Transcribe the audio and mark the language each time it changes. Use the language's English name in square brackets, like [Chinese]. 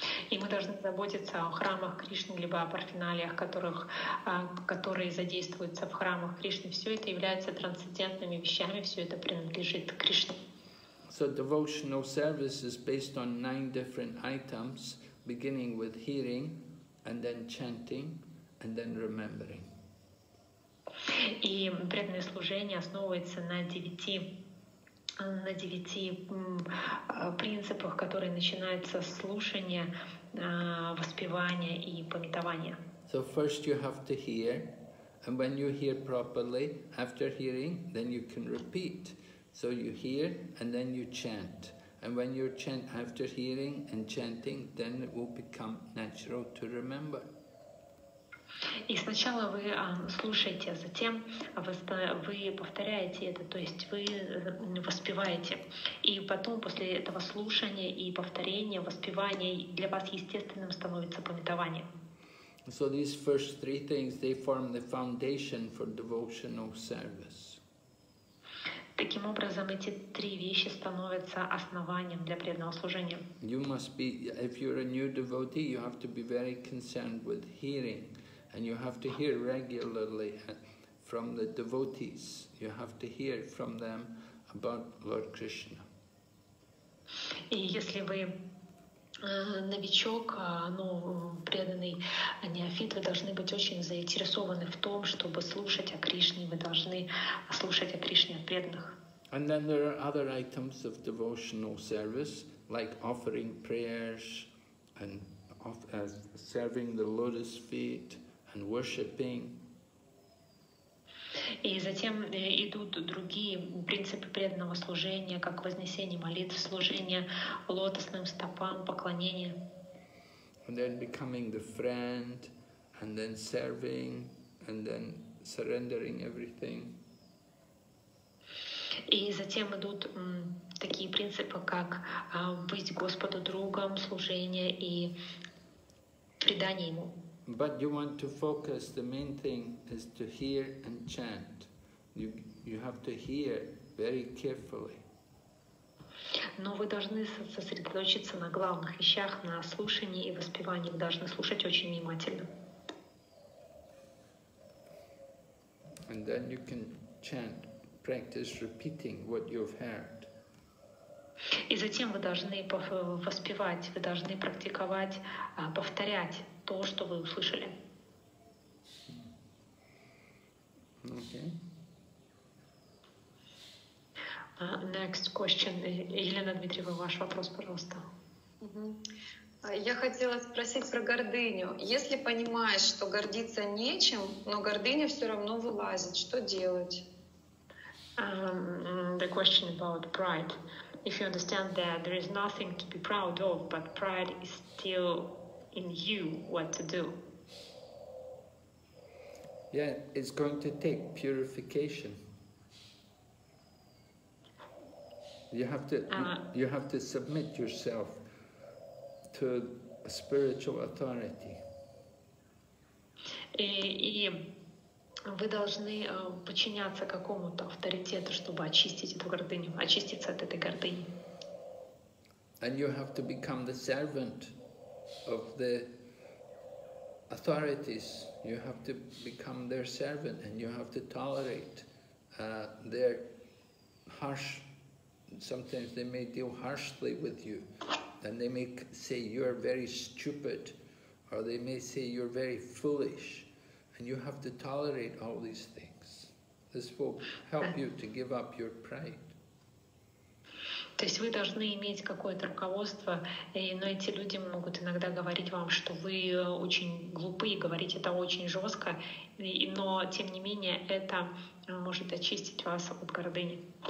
[Russian] И мы должны заботиться о храмах Кришны, либо о парафиналиях, которые задействуются в храмах Кришны. Все это является трансцендентными вещами, все это принадлежит Кришне. [English] So devotional service is based on 9 different items, beginning with hearing, and then chanting, and then remembering. [Russian] И преданное служение основывается на 9 принципах, которые начинаются с слушания, воспевания и памятования. [English] So first you have to hear, and when you hear properly, after hearing, then you can repeat. So you hear, and then you chant. And when you chant after hearing and chanting, then it will become natural to remember. [Russian] И сначала вы слушаете, а затем вы повторяете это, то есть вы воспеваете. И потом, после этого слушания и повторения, воспевания, для вас естественным становится памятование. [English] So these first three things, they form the foundation for devotional service. [Russian] Таким образом, эти три вещи становятся основанием для преданного служения. [English] You must be, if you're a new devotee, you have to be very concerned with hearing. And you have to hear regularly from the devotees. You have to hear from them about Lord Krishna. [Russian] И если вы новичок, ну, преданный неофит, вы должны быть очень заинтересованы в том, чтобы слушать о Кришне. Вы должны слушать о Кришне от преданных. [English] And then there are other items of devotional service, like offering prayers and serving the lotus feet. And worshipping. [Russian] И затем идут другие принципы преданного служения, как вознесение молитв, служение лотосным стопам, поклонение. [English] And then becoming the friend, and then serving, and then surrendering everything. [Russian] И затем идут такие принципы, как быть Господу другом, служение и предание Ему. [English] But you want to focus, the main thing is to hear and chant. You have to hear very carefully. [Russian] Но вы должны сосредоточиться на главных вещах, на слушании и воспевании. Вы должны слушать очень внимательно. [English] And then you can chant, practice repeating what you've heard. [Russian] И затем вы должны воспевать, вы должны практиковать, повторять то, что вы услышали. [English] Okay. Next question. [Russian] Елена Дмитриева, ваш вопрос, пожалуйста. Я хотела спросить про гордыню. Если понимаешь, что гордиться нечем, но гордыня все равно вылазит, что делать? [English] The question about pride. If you understand that there is nothing to be proud of, but pride is still in you, what to do? Yeah, it's going to take purification. You have to submit yourself to a spiritual authority. [Russian] Вы должны подчиняться какому-то авторитету, чтобы очистить эту гордыню, очиститься от этой гордыни. [English] And you have to become the servant of the authorities, you have to become their servant and you have to tolerate their harsh, sometimes they may deal harshly with you, and they may say you're very stupid, or they may say you're very foolish, and you have to tolerate all these things. This will help you to give up your pride. [Russian] То есть вы должны иметь какое-то руководство, но эти люди могут иногда говорить вам, что вы очень глупы, говорить это очень жестко, но тем не менее это может очистить вас от гордыни.